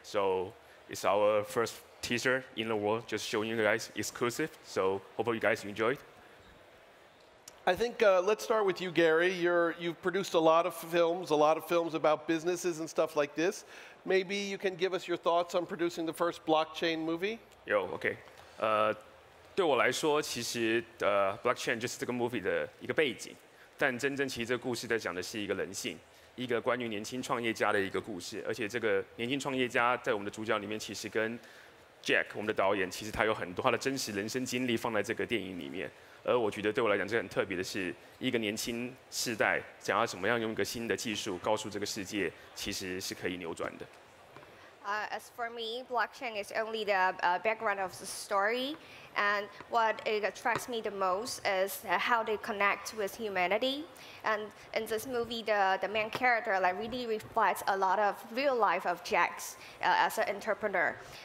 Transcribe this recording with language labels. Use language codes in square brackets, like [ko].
[en] So it's our first teaser in the world, just showing you guys exclusive. So hope you guys enjoyed. I think let's start with you, Gary. You've produced a lot of films about businesses and stuff like this. Maybe you can give us your thoughts on producing the first blockchain movie. Yo, okay. [zh] 对我来说，其实blockchain 就是这个 movie 的一个背景。但真正其实这个故事在讲的是一个人性，一个关于年轻创业家的一个故事。而且这个年轻创业家在我们的主角里面，其实跟 Jack 我们的导演，其实他有很多他的真实人生经历放在这个电影里面。而我觉得对我来讲，这很特别的是，一个年轻世代想要怎么样用一个新的技术告诉这个世界，其实是可以扭转的。 [en] As for me, blockchain is only the background of the story, and what it attracts me the most is how they connect with humanity. And in this movie, the main character like really reflects a lot of real life of Jack's as an entrepreneur.